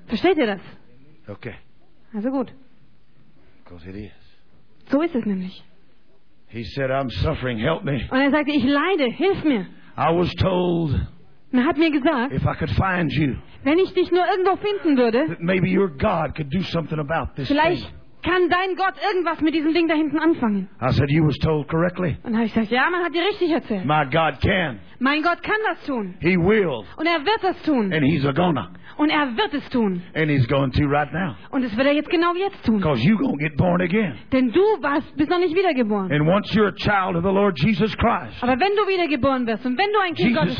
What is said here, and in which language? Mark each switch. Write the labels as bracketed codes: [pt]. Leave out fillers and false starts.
[de] Versteht ihr das? Okay. Also gut. [en] Because it is. [de] So ist es nämlich. [en] He said, "I'm suffering. Help me." [de] Und sagte, ich leide. Hilf mir. [en] I was told. [de] Man hat mir gesagt, [en] if I could find you, [de] wenn ich dich nur irgendwo finden würde, [en] that maybe your God could do something about this [de] vielleicht [en] thing. [de] Vielleicht kann dein Gott irgendwas mit diesem Ding da hinten anfangen. [en] I said, "You was told correctly." [de] Und habe ich gesagt, ja, man hat dir richtig erzählt. [en] My God can. [de] Mein Gott kann das tun. [en] He will. [de] Und wird das tun. [en] And he's a gonna. [de] Und wird es tun. [en] And he's going to right now. [de] Und es wird jetzt genau jetzt tun. [en] Because you're going to get born again. [de] Denn du bist noch nicht wiedergeboren. [en] And once you're a child of the Lord Jesus Christ. [de] Aber wenn du wiedergeboren wirst und wenn du ein Kind Gottes bist.